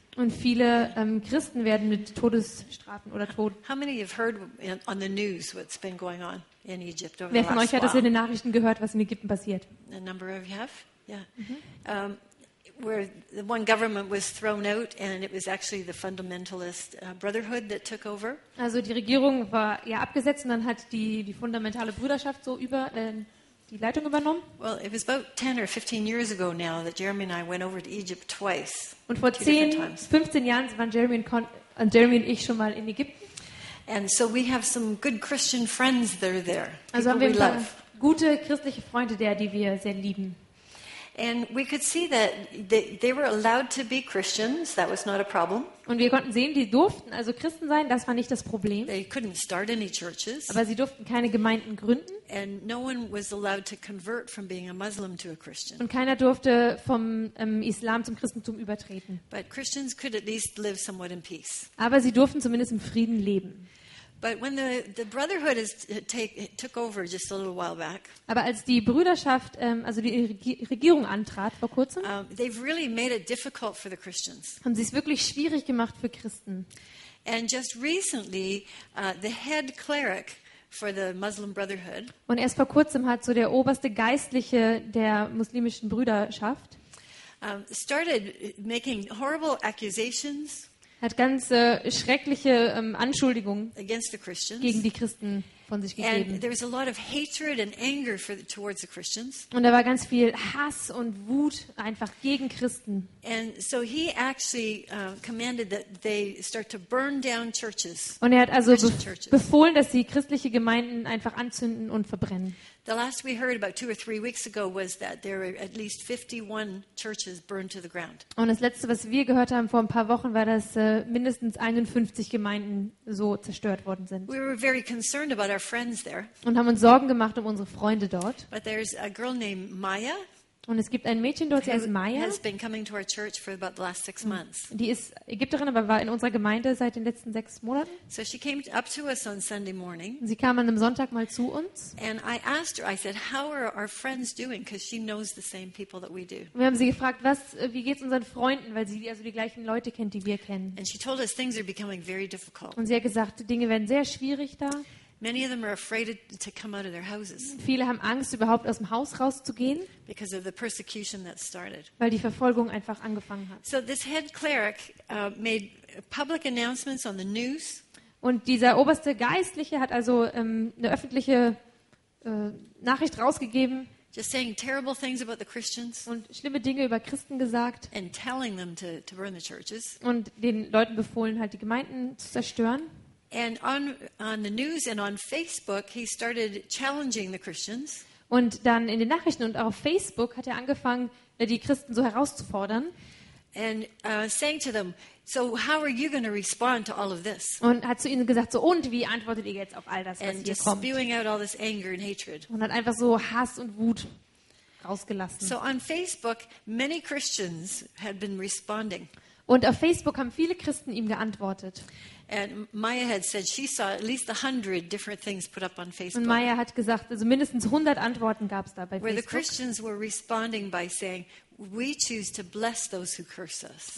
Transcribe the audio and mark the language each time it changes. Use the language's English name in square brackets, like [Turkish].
[German] Und viele Christen werden mit Todesstrafen oder Tod. [English] How many have heard on the news what's been going on in Egypt over the last while? [German] Wer von euch hat das in den Nachrichten gehört, was in Ägypten passiert? [English] A number of you have, yeah. Mm-hmm. Where the one government was thrown out, and it was actually the fundamentalist brotherhood that took over. [German] Also die Regierung war ja abgesetzt, und dann hat die fundamentale Brüderschaft so über die Leitung übernommen. [English] Well, it was about 10 or 15 years ago now that Jeremy and I went over to Egypt twice. [German] Und vor 15 Jahren waren Jeremy und ich schon mal in Ägypten. [English] And so we have some good Christian friends that are there. [German] Also haben wir gute christliche Freunde da, die wir sehr lieben. [English] And we could see that they were allowed to be Christians, that was not a problem. [German] Und wir konnten sehen, die durften also Christen sein, das war nicht das Problem. [English] They couldn't start any churches. [German] Aber sie durften keine Gemeinden gründen. [English] And no one was allowed to convert from being a Muslim to a Christian. [German] Und keiner durfte vom Islam zum Christentum übertreten. [English] But Christians could at least live somewhat in peace. [German] Aber sie durften zumindest im Frieden leben. [English] But when the brotherhood is took over just a little while back. [German] Aber als die Brüderschaft die Regierung antrat vor kurzem. [English] They've really made it difficult for the Christians. [German] Haben sie es wirklich schwierig gemacht für Christen. [English] And just recently the head cleric for the Muslim Brotherhood. [German] Und erst vor kurzem hat so der oberste Geistliche der muslimischen Brüderschaft [English] started making horrible accusations. [German] Hat ganz schreckliche Anschuldigungen gegen die Christen von sich gegeben. Und da war ganz viel Hass und Wut einfach gegen Christen. [English] And so he actually commanded that they start to burn down churches. [German] Und er hat also befohlen, dass sie christliche Gemeinden einfach anzünden und verbrennen. [English] The last we heard about 2 or 3 weeks ago was that there were at least 51 churches burned to the ground. [German] Und das letzte, was wir gehört haben vor ein paar Wochen, war, dass mindestens 51 Gemeinden so zerstört worden sind. [English] We were very concerned about our friends there. [German] Und haben uns Sorgen gemacht um unsere Freunde dort. [English] But there's a girl named Maya. [German] Und es gibt ein Mädchen dort, sie heißt Maya. [English] Has been coming to our church for about the last 6 months. [German] Die ist Ägypterin, aber war in unserer Gemeinde seit den letzten 6 Monaten. [English] So she came up to us on Sunday morning. [German] Sie kam an einem Sonntag mal zu uns. [English] And I asked her, I said, how are our friends doing? Because she knows the same people that we do. [German] Wir haben sie gefragt, wie geht's unseren Freunden, weil sie also die gleichen Leute kennt, die wir kennen. [English] And she told us things are becoming very difficult. [German] Und sie hat gesagt, Dinge werden sehr schwierig da. [English] Many of them are afraid to come out of their houses. [German] Viele haben Angst, überhaupt aus dem Haus rauszugehen. [English] Because of the persecution that started. [German] Weil die Verfolgung einfach angefangen hat. [English] So this head cleric made public announcements on the news. [German] Und dieser oberste Geistliche hat also eine öffentliche Nachricht rausgegeben. [English] Just saying terrible things about the Christians. [German] Und schlimme Dinge über Christen gesagt. [English] And telling them to burn the churches. [German] Und den Leuten befohlen, halt die Gemeinden zu zerstören. [English] And on the news and on Facebook he started challenging the Christians. [German] Und dann in den Nachrichten und auch auf Facebook hat er angefangen, die Christen so herauszufordern. [English] And saying to them, so how are you going to respond to all of this? [German] Und hat zu ihnen gesagt, so und wie antwortet ihr jetzt auf all das, was hier kommt? [English] And spewing out all this anger and hatred. [German] Und hat einfach so Hass und Wut rausgelassen. [English] So on Facebook, many Christians had been responding. [German] Und auf Facebook haben viele Christen ihm geantwortet. [English] And Maya had said she saw at least 100 different things put up on Facebook. [German] Und Maya hat gesagt, also mindestens 100 Antworten gab es da bei Facebook. [English] Where the Christians were responding by saying, we choose to bless those who curse us.